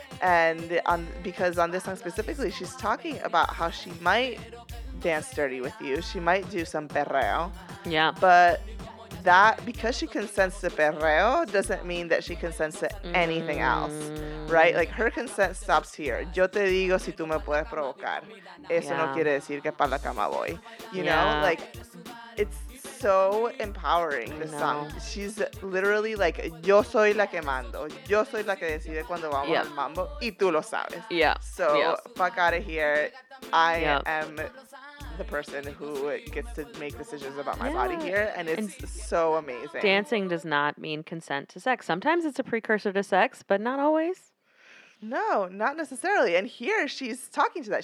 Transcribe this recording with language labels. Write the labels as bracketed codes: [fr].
[en] And because on this song specifically, she's talking about how she might dance dirty with you. She might do some perreo. Yeah. But that, because she consents to perreo, doesn't mean that she consents to anything else. Right? Like, her consent stops here. [es] Yo te digo si tú me puedes provocar. Eso no quiere decir que para la cama voy. [en] You know? Like, it's so empowering, this song. She's literally like, [es] yo soy la que mando. Yo soy la que decide cuando vamos al mambo. Y tú lo sabes. [en] Yeah. So, fuck out of here. I am the person who gets to make decisions about my body here, and so amazing. Dancing does not mean consent to sex. Sometimes it's a precursor to sex, but not always. No, not necessarily. And here she's talking to that.